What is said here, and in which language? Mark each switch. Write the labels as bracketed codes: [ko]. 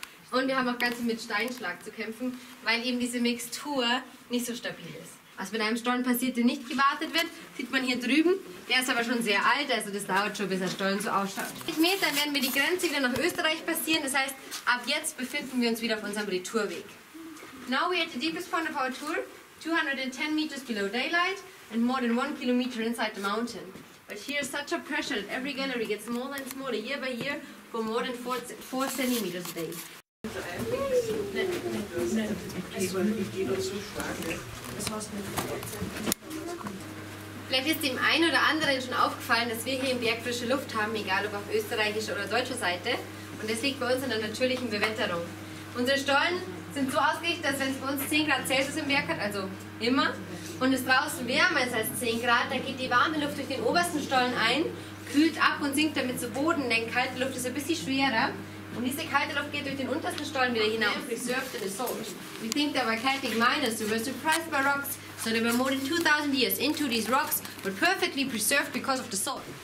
[de] Und wir haben auch ganz mit Steinschlag zu kämpfen, weil eben diese Mixtur nicht so stabil ist. Was mit einem Stollen passiert, der nicht gewartet wird, sieht man hier drüben. Der ist aber schon sehr alt, also das dauert schon, bis der Stollen so ausschaut. In 10 Metern werden wir die Grenze wieder nach Österreich passieren, das heißt, ab jetzt befinden wir uns wieder auf unserem Retourweg. [en] Now we are at the deepest point of our tour, 210 meters below daylight and more than 1 kilometer inside the mountain. But here is such a pressure that every gallery gets smaller and smaller year by year for more than 4 centimeters a day. [de] Vielleicht ist dem einen oder anderen schon aufgefallen, dass wir hier im Berg frische Luft haben, egal ob auf österreichischer oder deutscher Seite. Und das liegt bei uns in der natürlichen Bewetterung. Unsere Stollen sind so ausgerichtet, dass wenn es bei uns 10 Grad Celsius im Berg hat, also immer, und es draußen wärmer ist als 10 Grad, dann geht die warme Luft durch den obersten Stollen ein, kühlt ab und sinkt damit zu Boden, denn kalte Luft ist ein bisschen schwerer. Und diese kalte Luft geht durch den untersten Stollen wieder hinauf. [en] Preserved in the salt. We think there were Celtic miners who were surprised by rocks, so they were more than 2000 years into these rocks, but perfectly preserved because of the salt.